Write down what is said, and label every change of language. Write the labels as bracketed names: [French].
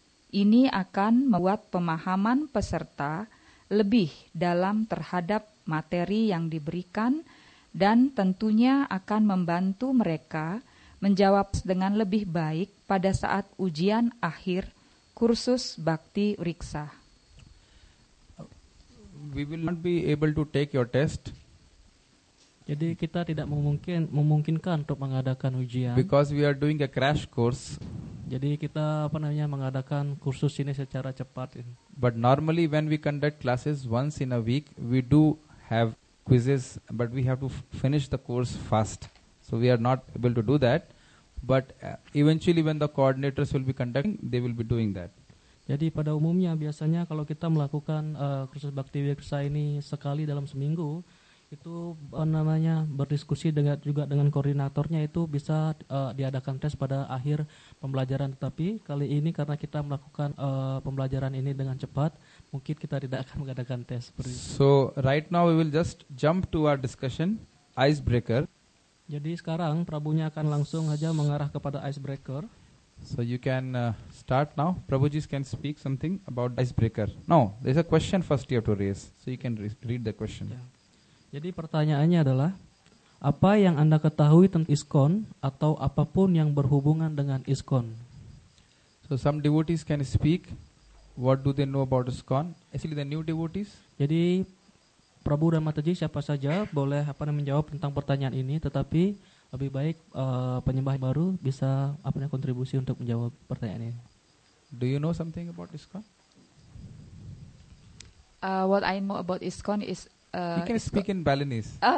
[Indonesian] Ini akan membuat pemahaman peserta lebih dalam terhadap materi yang diberikan dan tentunya akan membantu mereka menjawab dengan lebih baik pada saat ujian akhir kursus Bakti Riksa. [English] We will not be able to take your test. [Indonesian] Jadi kita tidak memungkinkan untuk mengadakan ujian. [English] Because we are doing a crash course. [Indonesian] Jadi kita mengadakan kursus ini secara cepat. [English] But normally when we conduct classes once in a week, we do have quizzes, but we have to finish the course fast. So we are not able to do that. But eventually when the coordinators will be conducting, they will be doing that. [Indonesian] Jadi pada umumnya biasanya kalau kita melakukan kursus Bhakti Viksa ini sekali dalam seminggu, itu namanya berdiskusi dengan juga dengan koordinatornya itu bisa diadakan tes pada akhir pembelajaran. Tetapi kali ini karena kita melakukan pembelajaran ini dengan cepat, mungkin kita tidak akan mengadakan tes. [English] So right now we will just jump to our discussion, icebreaker. [Indonesian] Jadi sekarang Prabhunya akan langsung aja mengarah kepada icebreaker. [English] So you can start now. Prabhuji can speak something about icebreaker. No, there's a question first you have to raise. So you can read the question. Yeah. [Indonesian] Jadi pertanyaannya adalah, apa yang Anda ketahui tentang ISKCON atau apapun yang berhubungan dengan ISKCON? [English] So some devotees can speak. What do they know about ISKCON? Actually the new devotees. [Indonesian] Jadi Prabhu dan Mataji siapa saja boleh menjawab tentang pertanyaan ini, tetapi lebih baik penyembah baru bisa kontribusi untuk menjawab pertanyaan ini. [English] Do you know something about ISKCON? What I know about ISKCON is you can speak in Balinese.